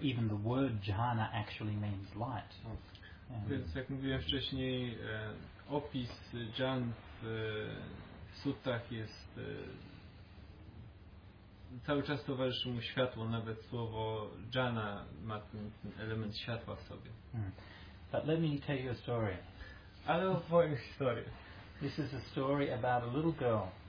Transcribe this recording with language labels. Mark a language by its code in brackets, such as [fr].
[en] Even the word jhana actually means light. [pl] Więc jak mówiłem wcześniej, opis dżan w suttach jest cały czas towarzyszy mu światło. Nawet słowo jhana ma ten element światła w sobie. [en] But let me tell you a story. [pl] Ale opowiem historię. [en] This is a story about a little girl.